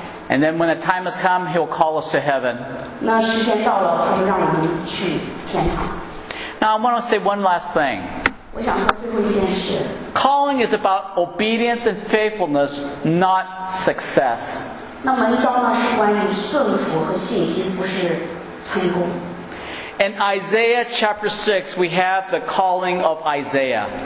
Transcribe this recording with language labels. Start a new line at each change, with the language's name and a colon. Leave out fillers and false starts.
English: And then when the time has come, he'll call us to heaven.
Chinese: 那时间到了，他就让我们去天堂。
English: Now I want to say one last thing.
Chinese: 我想说最后一件事。
English: Calling is about obedience and faithfulness, not success.
Chinese: 那门召呢，是关于顺服和信心，不是成功。
English: In Isaiah chapter 6, we have the calling of Isaiah.